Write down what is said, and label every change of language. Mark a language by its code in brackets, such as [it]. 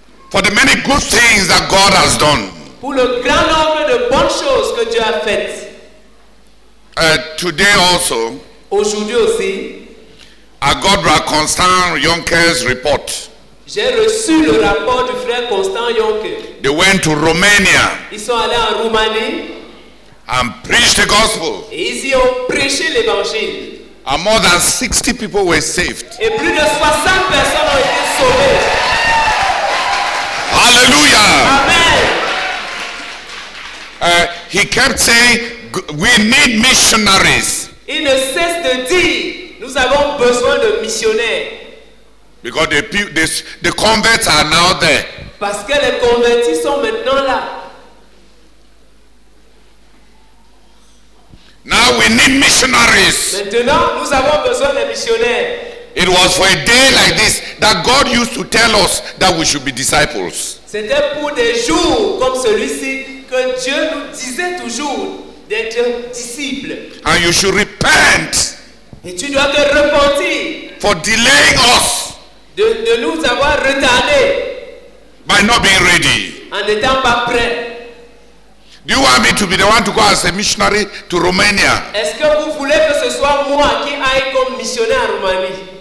[en] For the many good things that God has done. [fr] Pour le grand nombre de bonnes choses que Dieu a faites. [en] Today also. [fr] Aujourd'hui aussi. [en] I got a Constant Yonke's report. [fr] J'ai reçu le rapport du frère Constant Yonke. [en] They went to Romania. [fr] Ils sont allés en Roumanie. [en] And preached the gospel. [fr] Et ils y ont prêché l'évangile. [en] And more than 60 people were saved. [fr] Et plus de 60 personnes ont été sauvées. Hallelujah. Amen. [en] He kept saying, "We need missionaries." [fr] Il ne cesse de dire, nous avons besoin de missionnaires. [en] Because the converts are now there. [fr] Parce que les convertis sont maintenant là. [en] Now we need missionaries. [fr] Maintenant, nous avons besoin de missionnaires. [en] It was for a day like this that God used to tell us that we should be disciples. [fr] C'était pour des jours comme celui-ci que Dieu nous disait toujours d'être disciples. [en] And you should repent. [fr] Et tu dois te repentir. [en] For delaying us. [fr] De nous avoir retardés. [en] By not being ready. [fr] En n'étant pas prêt. [en] Do you want me to be the one to go as a missionary to Romania? [fr] Est-ce que vous voulez que ce soit moi qui aille comme missionnaire en Roumanie?